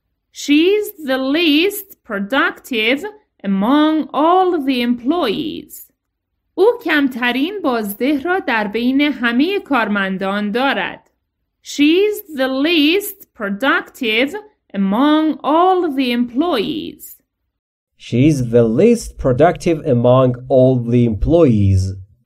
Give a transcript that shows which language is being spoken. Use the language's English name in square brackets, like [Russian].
[English] She's the least productive among all the employees. [Persian] او کمترین بازده را در بین همه کارمندان دارد. [English] She's the least productive among all the employees. She's the least productive among all the employees.